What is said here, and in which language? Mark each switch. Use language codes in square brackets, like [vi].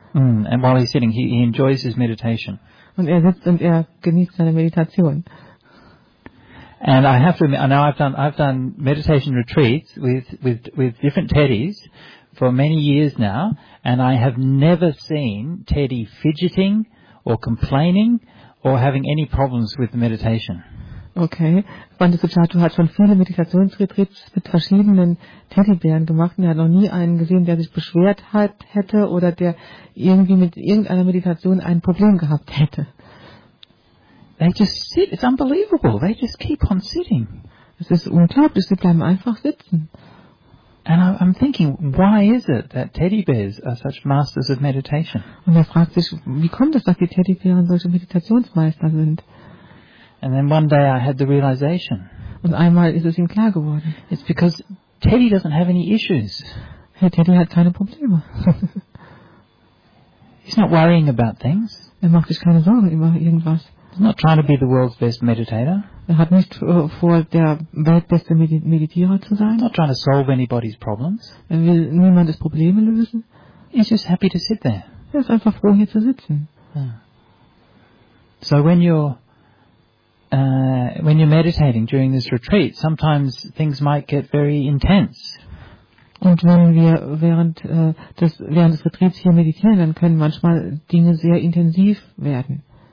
[en] And while he's sitting, he enjoys his meditation. [de] Und er sitzt und er genießt seine Meditation. [en] And I have to admit, now I've done meditation retreats with different teddies for many years now, and I have never seen Teddy fidgeting or complaining or having any problems with the meditation. [de] Okay, Bandesuchatu hat schon viele Meditationsretreats mit verschiedenen Teddybären gemacht und er hat noch nie einen gesehen, der sich beschwert hat, hätte oder der irgendwie mit irgendeiner Meditation ein Problem gehabt hätte. [en] They just sit, it's unbelievable, they just keep on sitting. [de] Es ist unglaublich, sie bleiben einfach sitzen. [en] And I'm thinking, why is it that teddy bears are such masters of meditation? [de] Und er fragt sich, wie kommt es, dass die Teddybären solche Meditationsmeister sind? [en] And then one day I had the realization. [de] Und einmal ist es ihm klar geworden. [en] It's because Teddy doesn't have any issues. [de] Hey, Teddy hat keine Probleme. [en] He's not worrying about things. [de] Er macht sich keine Sorgen über irgendwas. [en] He's not trying to be the world's best meditator. [de] Er hat nicht vor, der weltbeste Meditierer zu sein. [en] He's not trying to solve anybody's problems. [de] Er will niemandes Probleme lösen. [en] He's just happy to sit there. [de] Er ist einfach froh, hier zu sitzen. [en] Yeah. So when you're meditating during this retreat, sometimes things might get very intense. [de] Und wenn wir während des Retreats hier meditieren, dann können manchmal Dinge sehr intensiv werden.